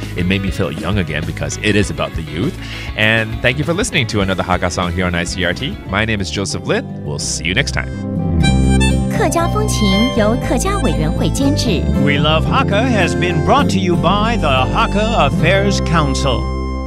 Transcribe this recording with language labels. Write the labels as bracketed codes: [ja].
[en] It made me feel young again because it is about the youth. And thank you for listening to another Hakka song here on ICRT. My name is Joseph Lin. We'll see you next time. [zh] 客家风情由客家委员会监制. [en] We Love Hakka has been brought to you by the Hakka Affairs Council.